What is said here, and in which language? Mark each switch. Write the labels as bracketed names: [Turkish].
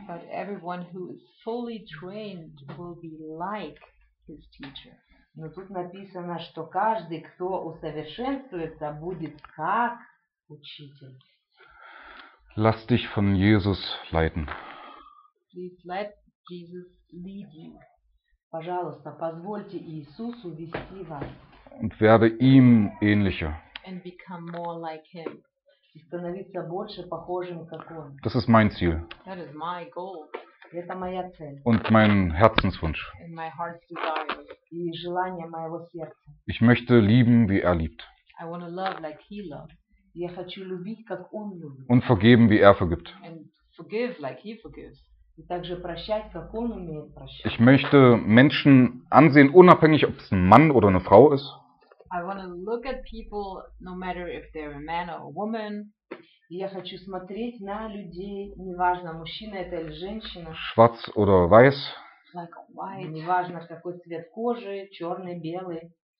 [English] But everyone who is fully trained will be like his teacher. [Russian] Но тут написано, что каждый, кто усовершенствуется, будет как учитель. [German] Lass dich von Jesus leiten. [English] Please let Jesus lead you. [Russian] Пожалуйста, позвольте Иисусу вести вас. [German] Und werde ihm ähnlicher. [English] And become more like him. [Russian] И становиться больше похожим, как он. [German] Das ist mein Ziel. [English] That is my goal. [Russian] Это моя цель. [German] Und mein Herzenswunsch. [English] And my heart's desire. [Russian] И желание моего сердца. [German] Ich möchte lieben, wie liebt. [English] I want to love like he loves. [Russian] Я хочу любить, как он любит. [German] Und vergeben, wie vergibt. [English] And forgive, like he forgives. [Russian] И также прощать, как он умеет прощать. [German] Ich möchte Menschen ansehen, unabhängig, ob es ein Mann oder eine Frau ist. [English] I want to look at people, no matter if they're a man or a woman. [Russian] И я хочу смотреть на людей, неважно, мужчина это или женщина. [German] Schwarz oder weiß. [English] Like white. [Russian] И неважно, какой цвет кожи, черный, белый.